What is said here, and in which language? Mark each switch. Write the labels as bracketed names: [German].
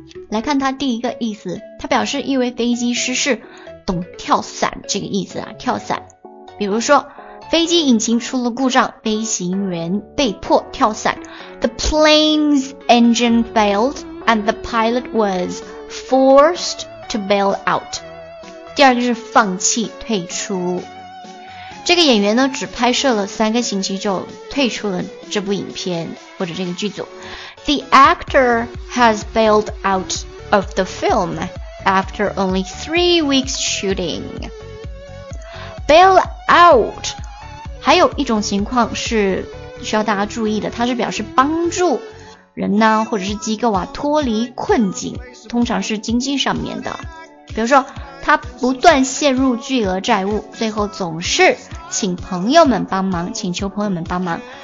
[Chinese] 来看它第一个意思，它表示因为飞机失事懂跳伞这个意思啊，跳伞。比如说飞机引擎出了故障，飞行员被迫跳伞。 [English] The plane's engine failed and the pilot was forced to bail out。 [Chinese] 第二个是放弃退出，这个演员呢只拍摄了三个星期就退出了这部影片或者这个剧组。 [English] The actor has bailed out of the film after only 3 weeks shooting。 [Chinese] Bail out 还有一种情况是需要大家注意的，它是表示帮助人呢或者是机构啊脱离困境，通常是经济上面的。比如说他他不断陷入巨额债务，最后总是请朋友们帮忙，请求朋友们帮忙。